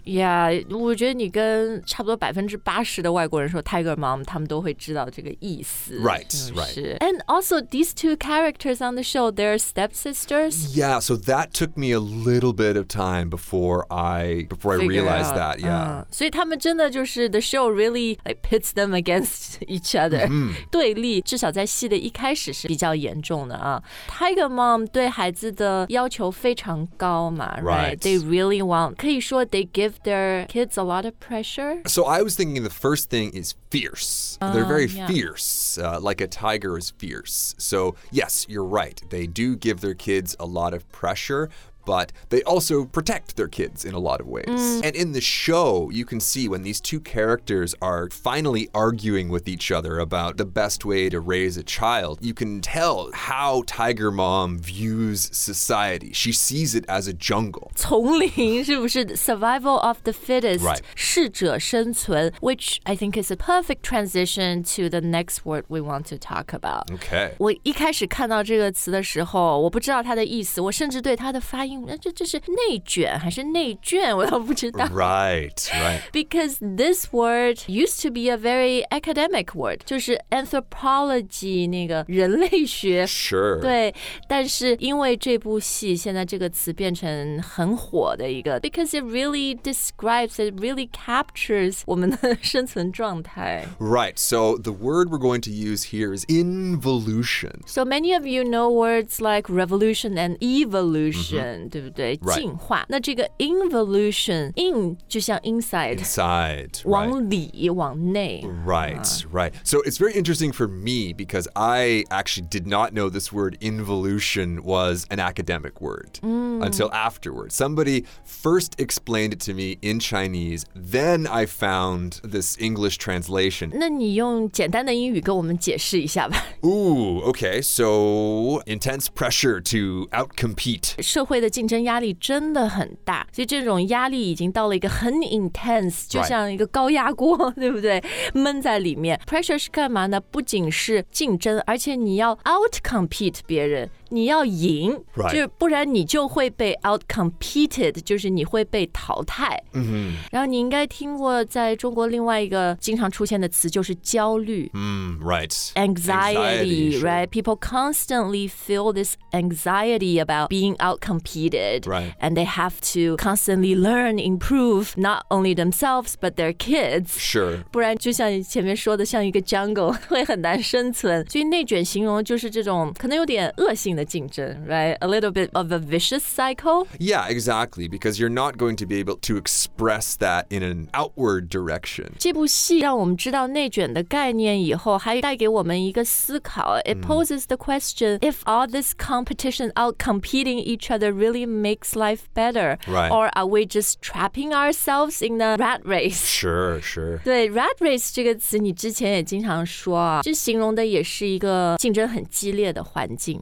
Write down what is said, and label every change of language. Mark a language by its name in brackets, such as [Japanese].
[Chinese] Yeah, 我觉得你跟差不多80%的外国人说 tiger mom， 他们都会知道这个意思。 [English] Right, [Chinese] 是不是 [English] right. And also, these two characters on the show, they're stepsisters. Yeah, so that took me a little bit of time before I realized that, yeah. So they really, the show really like, pits them against each other. [Chinese] 对立至少在戏的一开始是比较严重的啊。 Tiger mom 对孩子的要求非常高嘛 [English] right? They really want, [Chinese] 可以说 [English] they give their kids a lot of pressure. So I was thinking the first thing is fierce. They're very fierce, like a tiger is fierce. So yes, you're right. They do give their kids a lot of pressure. But they also protect their kids in a lot of ways. Mm. And in the show, you can see when these two characters are finally arguing with each other about the best way to raise a child, you can tell how Tiger Mom views society. She sees it as a jungle. [Chinese] 丛林是不是 [English] Survival of the fittest. Right. [Chinese] 适者生存 [English] which I think is a perfect transition to the next word we want to talk about. Okay. [Chinese] 我一开始看到这个词的时候，我不知道它的意思，我甚至对它的发这是内卷还是内卷我都不知道 [English] Right, right. Because this word used to be a very academic word [Chinese] 就是 [English] anthropology [Chinese] 那个人类学 [English] Sure [Chinese] 对但是因为这部戏现在这个词变成很火的一个 [English] Because it really describes It really captures [Chinese] 我们的生存状态 [English] Right, so the word we're going to use here is involution So many of you know words like revolution and evolution、mm-hmm. [Chinese] 对不对 [English] right. [Chinese] 进化那这个 involution in 就像 [English] inside [Chinese] 往里、right. 往内 [English] right、right so it's very interesting for me because I actually did not know this word involution was an academic word、 mm. until afterwards somebody first explained it to me in Chinese then I found this English translation [Chinese] 那你用简单的英语跟我们解释一下吧 [English] ooh okay so intense pressure to outcompete [Chinese] 社会的竞争压力真的很大所以这种压力已经到了一个很 intense 就像一个高压锅、 [English] right. [Chinese] 对不对闷在里面 pressure 是干嘛呢不仅是竞争而且你要 outcompete 别人你要赢、 [English] right. [Chinese] 就不然你就会被 outcompeted 就是你会被淘汰、 [English] mm-hmm. [Chinese] 然后你应该听过在中国另外一个经常出现的词就是焦虑、 [English] right. Anxiety, right? People constantly feel this anxiety about being outcompeted、 right. And they have to constantly learn, improve Not only themselves, but their kids、 sure. [Chinese] 不然就像前面说的像一个 jungle 会很难生存所以内卷形容就是这种可能有点恶性的竞争 right? [English] A little bit of a vicious cycle? Yeah, exactly, because you're not going to be able to express that in an outward direction. [Chinese] 这部戏让我们知道内卷的概念以后还带给我们一个思考 [English] It poses the question, if all this competition outcompeting each other really makes life better, right. or are we just trapping ourselves in the rat race? Sure, sure. [Chinese] 对 rat race 这个词你之前也经常说啊，这形容的也是一个竞争很激烈的环境